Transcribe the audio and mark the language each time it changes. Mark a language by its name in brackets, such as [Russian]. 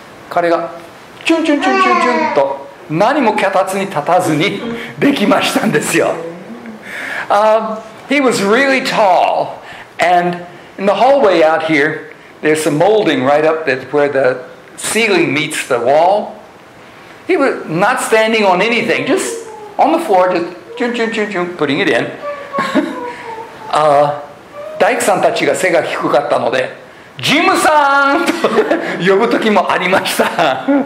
[Japanese] 彼がチュンチュンチュンチュンチュンと何も脚立に立たずにできましたんですよ。 [English] He was really tall, and in the hallway out here, there's some molding right up that where the ceiling meets the wall. He was not standing on anything, just on the floor, just chun chun chun chun, putting it in. [Japanese] 大工さんたちが背が低かったので、ジムさんと呼ぶ時もありました。